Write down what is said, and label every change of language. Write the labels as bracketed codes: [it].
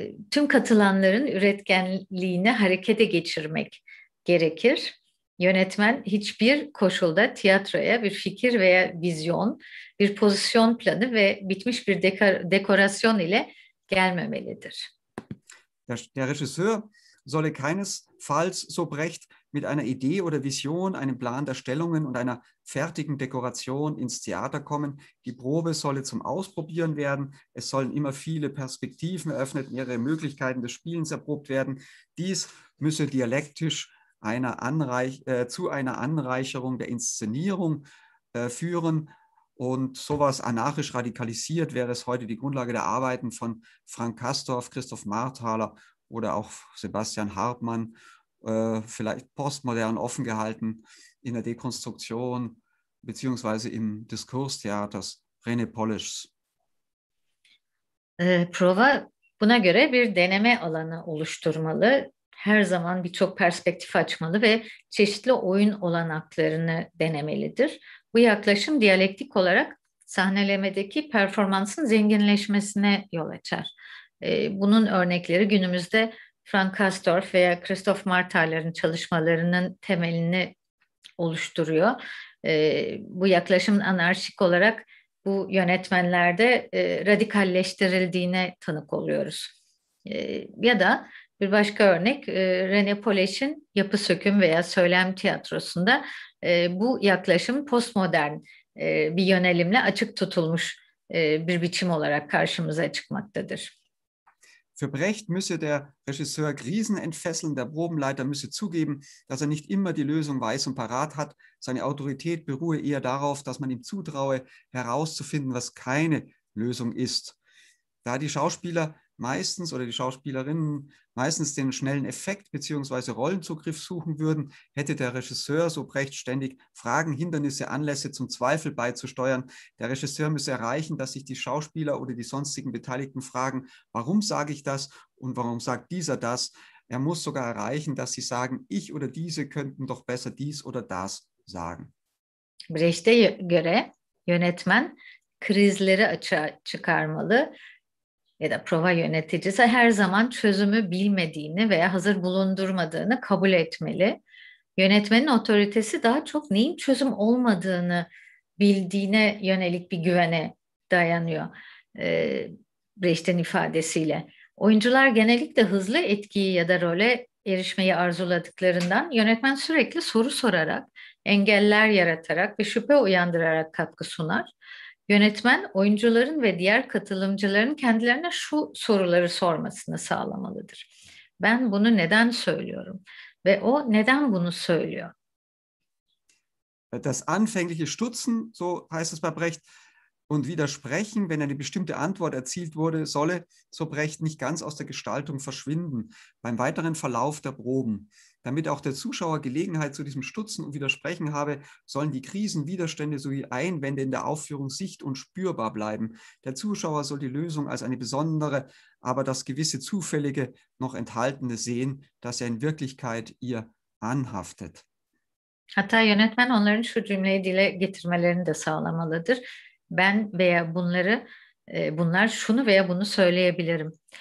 [tr] Tüm katılanların üretkenliğini harekete geçirmek gerekir. Yönetmen hiçbir koşulda tiyatroya bir fikir veya vizyon, bir pozisyon planı ve bitmiş bir dekorasyon ile gelmemelidir. [de] Der Regisseur solle keinesfalls, so Brecht, mit einer Idee oder Vision, einem Plan der Stellungen und einer fertigen Dekoration ins Theater kommen. Die Probe solle zum Ausprobieren werden. Es sollen immer viele Perspektiven eröffnet, mehrere Möglichkeiten des Spielens erprobt werden. Dies müsse dialektisch zu einer Anreicherung der Inszenierung führen. Und sowas anarchisch radikalisiert wäre es heute die Grundlage der Arbeiten von Frank Castorf, Christoph Marthaler oder auch Sebastian Hartmann, vielleicht postmodern offen gehalten in der Dekonstruktion beziehungsweise im Diskurstheaters René Polisch's. [tr] Prova buna göre bir deneme alanı oluşturmalı, her zaman birçok perspektif açmalı ve çeşitli oyun olanaklarını denemelidir. Bu yaklaşım diyalektik olarak sahnelemedeki performansın zenginleşmesine yol açar. Bunun örnekleri günümüzde Frank Castorf veya Christoph Marthaler'in çalışmalarının temelini oluşturuyor. Bu yaklaşımın anarşik olarak bu yönetmenlerde radikalleştirildiğine tanık oluyoruz. Ya da bir başka örnek, René Polisch'in Yapı Söküm veya Söylem Tiyatrosu'nda bu yaklaşım postmodern bir yönelimle açık tutulmuş bir biçim olarak karşımıza çıkmaktadır. [de] Für Brecht müsse der Regisseur Krisen entfesseln, der Probenleiter müsse zugeben, dass er nicht immer die Lösung weiß und parat hat. Seine Autorität beruhe eher darauf, dass man ihm zutraue, herauszufinden, was keine Lösung ist. Da die Schauspieler meistens oder die Schauspielerinnen meistens den schnellen Effekt bzw. Rollenzugriff suchen würden, hätte der Regisseur, so Brecht, ständig Fragen, Hindernisse, Anlässe zum Zweifel beizusteuern. Der Regisseur müsse erreichen, dass sich die Schauspieler oder die sonstigen Beteiligten fragen, warum sage ich das und warum sagt dieser das? Er muss sogar erreichen, dass sie sagen, ich oder diese könnten doch besser dies oder das sagen. [tr] Brecht'e göre yönetmen krizleri açığa çıkarmalı. Ya da prova yöneticisi her zaman çözümü bilmediğini veya hazır bulundurmadığını kabul etmeli. Yönetmenin otoritesi daha çok neyin çözüm olmadığını bildiğine yönelik bir güvene dayanıyor. Brecht'in ifadesiyle. Oyuncular genellikle hızlı etkiyi ya da role erişmeyi arzuladıklarından yönetmen sürekli soru sorarak, engeller yaratarak ve şüphe uyandırarak katkı sunar. Yönetmen oyuncuların ve diğer katılımcıların kendilerine şu soruları sormasını sağlamalıdır. Ben bunu neden söylüyorum ve o neden bunu söylüyor? [de] Das anfängliche Stutzen, so heißt es bei Brecht, und Widersprechen, wenn eine bestimmte Antwort erzielt wurde, solle, so Brecht, nicht ganz aus der Gestaltung verschwinden beim weiteren Verlauf der Proben. Damit auch der Zuschauer Gelegenheit zu diesem Stutzen und Widersprechen habe, sollen die Krisen, Widerstände sowie Einwände in der Aufführung sicht- und spürbar bleiben. Der Zuschauer soll die Lösung als eine besondere, aber das gewisse Zufällige noch enthaltene sehen, das er in Wirklichkeit ihr anhaftet. [tr] Hatta yönetmen onların şu cümleyi dile getirmelerini de sağlamalıdır. Ben veya bunlar şunu veya bunu söyleyebilirim.